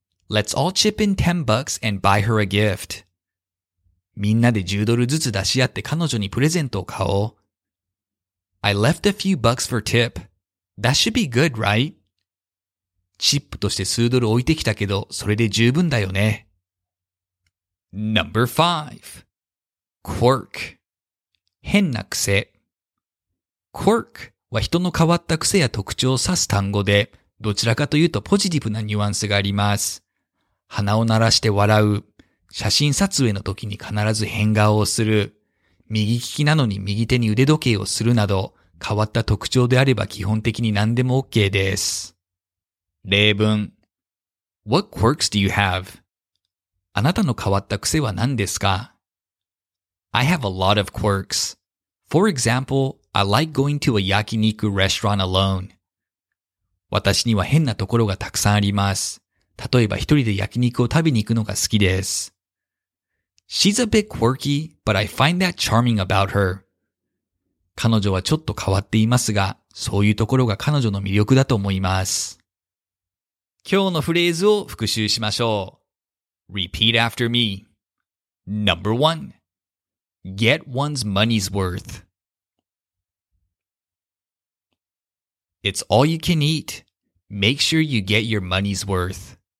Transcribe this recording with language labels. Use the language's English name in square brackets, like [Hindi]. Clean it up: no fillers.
[English] Let's all chip in 10 bucks and buy her a gift. [Japanese] みんなで10ドルずつ出し合って彼女にプレゼントを買おう。 [English] I left a few bucks for tip. That should be good, right? [Japanese] チップとして数ドル置いてきたけど、それで十分だよね。 [English] Number 5. Quirk. [Japanese] 変な癖。 Quirk は人の変わった癖や特徴を指す単語で、どちらかというとポジティブなニュアンスがあります。鼻を鳴らして笑う。写真撮影の時に必ず変顔をする。右利きなのに右手に腕時計をするなど、変わった特徴であれば基本的に何でも OK です。例文。 [English] What quirks do you have? [Japanese] あなたの変わった癖は何ですか? [English] I have a lot of quirks. For example, I like going to a yakiniku restaurant alone. [Japanese] 私には変なところがたくさんあります。例えば一人で焼肉を食べに行くのが好きです。 [English] She's a bit quirky, but I find that charming about her. [Japanese] 彼女はちょっと変わっていますが、そういうところが彼女の魅力だと思います。今日のフレーズを復習しましょう。 [English] Repeat after me. Number one, get one's money's worth. It's all you can eat. Make sure you get your money's worth.